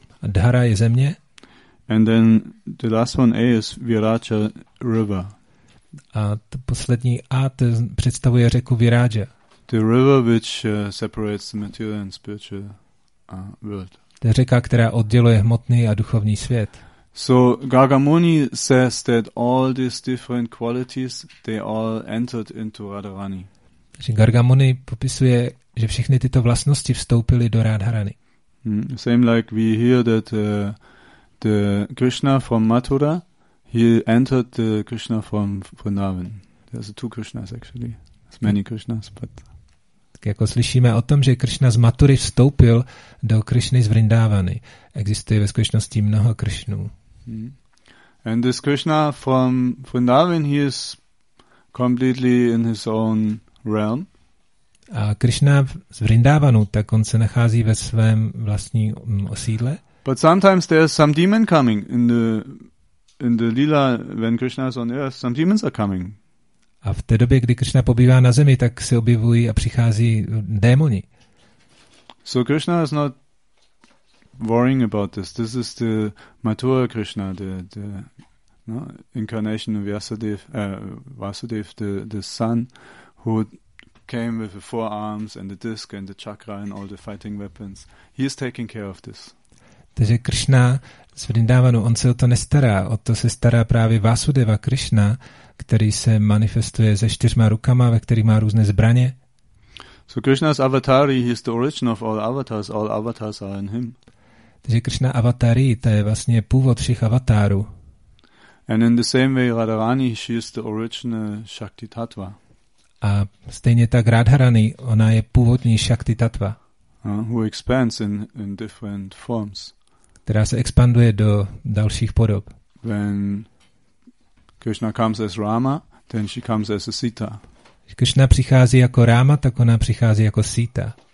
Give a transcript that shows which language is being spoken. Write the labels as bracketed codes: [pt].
[cs] A Dhara je země. [en] And then the last one A is Viraja River. [cs] A to poslední A to představuje řeku Viraja. [en] The river which separates the material and spiritual world. [cs] To je řeka, která odděluje hmotný a duchovní svět. [en] So Gargamuni says that all these different qualities, they all entered into Radharani. [cs] Takže Gargamuni popisuje, že všechny tyto vlastnosti vstoupily do Radharani. [en] Same like we hear that the Krishna from Mathura, he entered the Krishna from Vrindavan. There's two Krishnas actually. There's many Krishnas, but... [cs] Jako slyšíme o tom, že Krishna z Mathury vstoupil do Krishny z Vrindávany. Existuje ve skutečnosti mnoho Krishnů. [en] And this Krishna from Vrindavan, he is completely in his own realm. [cs] A Krishna z Vrindávanu, tak on se nachází ve svém vlastní osídle. [en] But sometimes there's some demon coming in the lila when Krishna is on earth, some demons are coming. [cs] A v té době, kdy Krishna pobývá na zemi, tak se objevují a přichází démoni. [en] So Krishna is not worrying about this. This is the Mathura Krishna, the no, incarnation of Vasudev, the son who came with the four arms and the disc and the chakra and all the fighting weapons. He is taking care of this. [cs] Takže Krishna z Vrindavanu, on se o to nestará. O to se stará právě Vasudeva Krishna, který se manifestuje se čtyřma rukama, ve kterých má různé zbraně. [en] So Krishna's avatari, he is the origin of all avatars are in him. [cs] Takže Krishna avatari, to je vlastně původ všech avatarů. [en] And in the same way Radharani, she is the original Shakti Tattva. [cs] A stejně tak Radharani, ona je původní Shakti Tattva. [en] Who expands in different forms. [cs] Která se expanduje do dalších podob. [en] When Krishna comes as Rama, then she comes as a Sita. [cs] Když Krishna přichází jako Rama, tak ona přichází jako Sita.